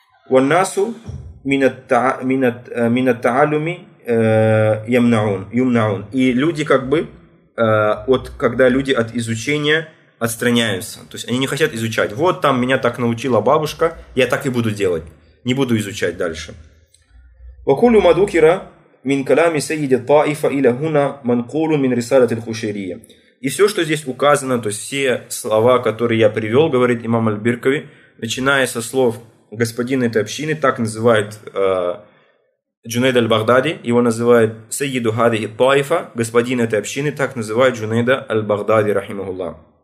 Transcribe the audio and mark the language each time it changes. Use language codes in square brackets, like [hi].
[ar] وَالنَّاسُ مِنَ التَّعَلُمِ يمنعون. [ru] И люди как бы, вот когда люди от изучения отстраняются, то есть они не хотят изучать. Вот там меня так научила бабушка, я так и буду делать, не буду изучать дальше. [ar] وكل ما ذكر من كلام سيد الطائفة إلى هنا منقول من رسالة الخشيرية. [ru] И все, что здесь указано, то есть все слова, которые я привел, говорит имам аль-Биркави, начиная со слов господина этой общины, так называют Джунейд аль-Багдади, его называют [ar] Сейиду хадихи тайфа, [ru] господин этой общины, так называют Джунейда аль-Багдади, рахимахуллах.